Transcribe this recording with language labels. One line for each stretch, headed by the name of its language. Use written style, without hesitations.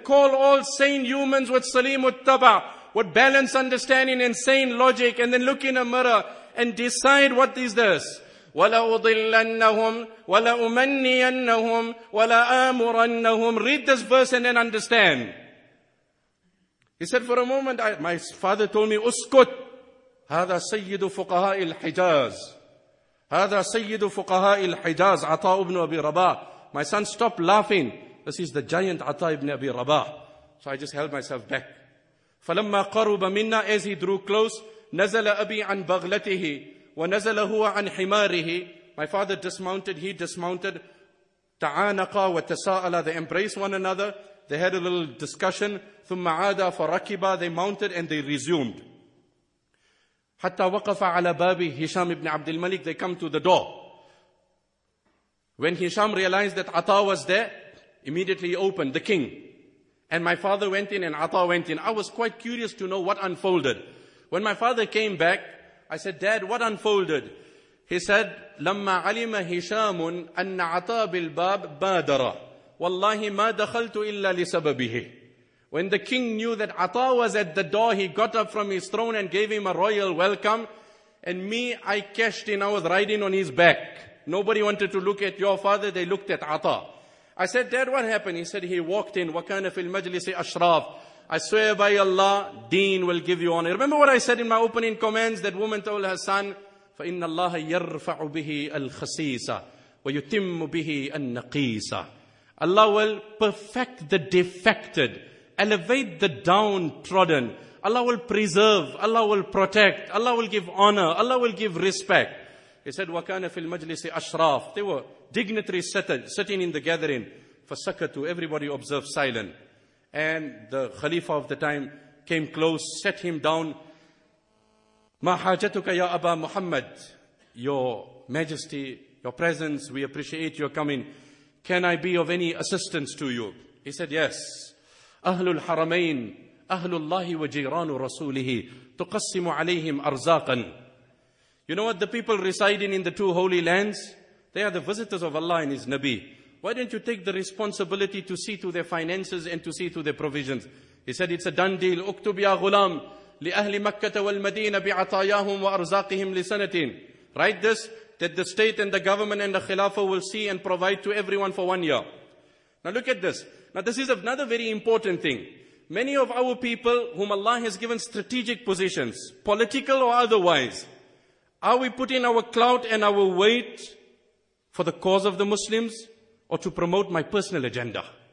English: Call all sane humans with salim uttaba, with balanced understanding and sane logic, and then look in a mirror and decide what is this.
Arabic: وَلَأُضِلَّنَّهُمْ وَلَأُمَنِّيَنَّهُمْ وَلَأَمُرَنَّهُمْ.
English: Read this verse and then understand. He said, for a moment, my father told me,
Arabic: أُسْكُتْ هَذَا سَيِّدُ فُقَهَاءِ الْحِجَازِ هذا سيد فقهاء الحجاز عطاء ابن أبي رباح.
English: My son, stop laughing. This is the giant عطاء ابن أبي رباح. So I just held myself back.
Arabic: فلما قرب منا,
English: as he drew close,
Arabic: نزل أبي عن بغلته ونزل هو عن حماره.
English: My father dismounted, he dismounted.
Arabic: تعانقا وتساءلا,
English: they embraced one another. They had a little discussion.
Arabic: ثم عادا فركبا,
English: they mounted and they resumed.
Arabic: حتى وقف على بابي هشام ابن عبد الملك.
English: They come to the door. When Hisham realized that Ata was there, immediately he opened, the king. And my father went in and Ata went in. I was quite curious to know what unfolded. When my father came back, I said, Dad, what unfolded? He said,
Arabic: لما علم هشام أن عطاء بالباب بادر والله ما دخلت إلا لسببه.
English: When the king knew that Ata was at the door, he got up from his throne and gave him a royal welcome. And me, I cashed in. I was riding on his back. Nobody wanted to look at your father. They looked at Ata. I said, Dad, what happened? He said, he walked in.
Arabic: وَكَانَ فِي الْمَجْلِسِ أَشْرَافِ.
English: I swear by Allah, deen will give you honor. Remember what I said in my opening comments? That woman told her son,
Arabic: فَإِنَّ اللَّهَ يَرْفَعُ بِهِ الْخَسِيسَ وَيُتِمُّ بِهِ النَّقِيسَ.
English: Allah will perfect the defected. Elevate the downtrodden. Allah will preserve. Allah will protect. Allah will give honor. Allah will give respect. He said,
Arabic: وَكَانَ فِي الْمَجْلِسِ أَشْرَافِ.
English: They were dignitaries sitting in the gathering.
Arabic: فَسَكَتُوا.
English: Everybody observed silent. And the Khalifa of the time came close, set him down.
Arabic: مَا حَاجَتُكَ يَا أَبَا مُحَمَّدٍ.
English: Your Majesty, your presence, we appreciate your coming. Can I be of any assistance to you? He said, yes.
Arabic: أهل الحرمين أهل الله وجيران رسوله تقسم عليهم أرزاقا.
English: You know what? The people residing in the two holy lands, they are the visitors of Allah and His Nabi. Why don't you take the responsibility to see to their finances and to see to their provisions? He said, it's a done deal.
Arabic: أكتب يا غلام لأهل مكة والمدينة بعطاياهم وأرزاقهم لسنة.
English: Write this, that the state and the government and the Khilafah will see and provide to everyone for 1 year. Now look at this. Now this is another very important thing. Many of our people whom Allah has given strategic positions, political or otherwise, are we putting our clout and our weight for the cause of the Muslims or to promote my personal agenda?